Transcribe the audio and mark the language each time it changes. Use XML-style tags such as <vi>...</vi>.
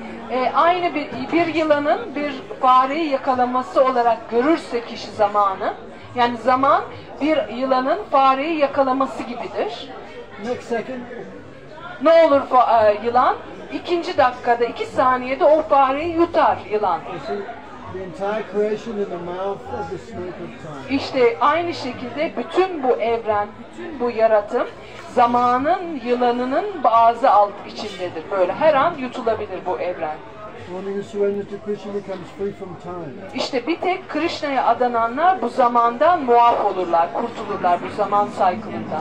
<tr>Eğer bir yılanın bir fareyi yakalaması olarak görürse kişi zamanı, yani zaman bir yılanın fareyi yakalaması gibidir.</tr> <en>Next second.</en> <tr>Ne olur yılan? İkinci dakikada, iki saniyede o fareyi yutar yılan.</tr> <en>The entire creation in the mouth of the snake of time.</en> <tr>İşte aynı şekilde bütün bu evren, bütün bu yaratım zamanın yılanının ağzı alt içindedir. Böyle her an yutulabilir bu evren.</tr> <en>One who surrenders to Krishna becomes free from time.</en> <tr>İşte bir tek Krishna'ya adananlar bu zamandan muaf olurlar, kurtulurlar bu zaman cycle'ından.</tr>